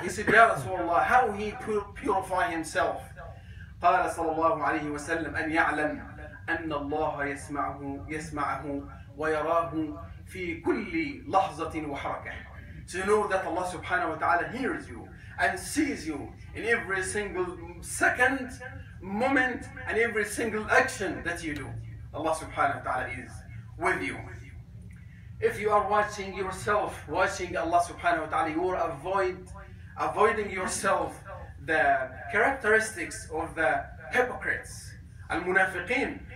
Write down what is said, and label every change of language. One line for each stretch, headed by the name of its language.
English: He said, Ya Rasulullah, how he purify himself?
Arabic: قال صلى الله عليه وسلم أن يعلم أن الله يسمعه ويراه في كل لحظة وحركة.
English: To know that Allah subhanahu wa ta'ala hears you and sees you in every single second moment and every single action that you do, Allah subhanahu wa ta'ala is with you. If you are watching yourself, watching Allah subhanahu wa ta'ala, you are avoiding yourself the characteristics of the hypocrites, al-munafiqeen.